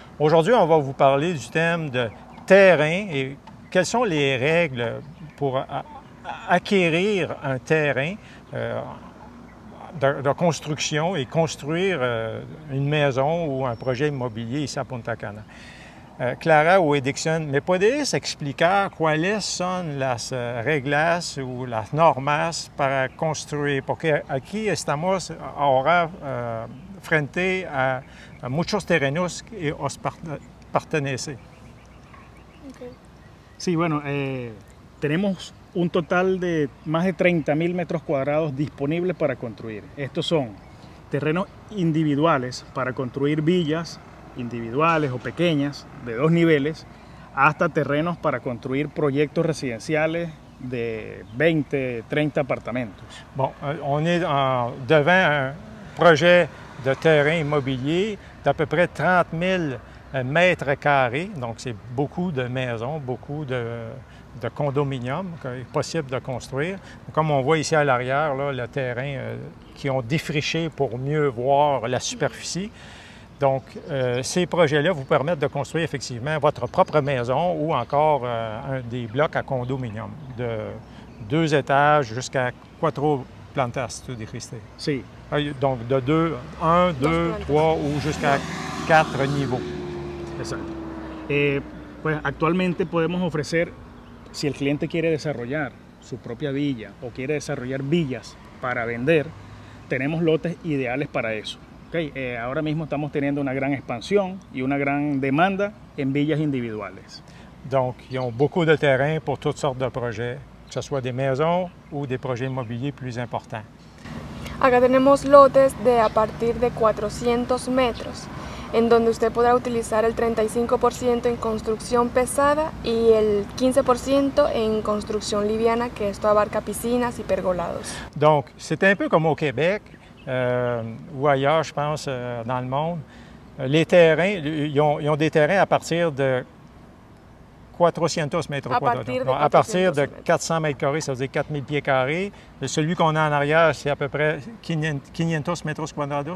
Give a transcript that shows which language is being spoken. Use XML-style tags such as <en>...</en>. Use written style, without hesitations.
<fr>Aujourd'hui, on va vous parler du thème de terrain et quelles sont les règles pour acquérir un terrain de construction et construire une maison ou un projet immobilier ici à Punta Cana.</fr> <es>Clara ou Dixon, ¿me puedes explicar cuáles son las reglas o las normas para construir? Porque aquí estamos ahora frente a muchos terrenos que os pertenecen. Okay. Sí, bueno, tenemos un total de más de 30,000 metros cuadrados disponibles para construir. Estos son terrenos individuales para construir villas, individuales o pequeñas, de dos niveles, hasta terrenos para construir proyectos residenciales de 20, 30 apartamentos.</es> <fr>Bon, on est devant un projet de terrain immobilier d'à peu près 30,000 mètres carrés, donc c'est beaucoup de maisons, beaucoup de condominiums qu'il est possible de construire. Comme on voit ici à l'arrière, là, le terrain qu'ils ont défriché pour mieux voir la superficie. Donc, ces projets-là vous permettent de construire effectivement votre propre maison ou encore des blocs à condominium de deux étages jusqu'à quatre plantas, si tu dis Christé.</fr> <es>Si.</es> <fr>Donc, de trois ou jusqu'à quatre niveaux.</fr> <es>Exacto. Pues, actualmente podemos ofrecer, si el cliente quiere desarrollar su propia villa o quiere desarrollar villas para vender, tenemos lotes ideales para eso. Okay. Ahora mismo estamos teniendo una gran expansión y una gran demanda en villas individuales.</es> <fr>Donc, ils ont beaucoup de terrain pour toutes sortes de projets, que ce soit des maisons ou des projets immobiliers plus importants.</fr> <es>Acá tenemos lotes de a partir de 400 metros, en donde usted podrá utilizar el 35% en construcción pesada y el 15% en construcción liviana, que esto abarca piscinas y pergolados.</es> <fr>Donc, c'est un peu comme au Québec. Ou ailleurs, je pense, dans le monde, les terrains, ils ont des terrains à partir de 400 mètres quadrés. À partir de 400 mètres carrés, ça veut dire 4,000 pieds carrés. Celui qu'on a en arrière, c'est à peu près 500 mètres quadrados.</fr>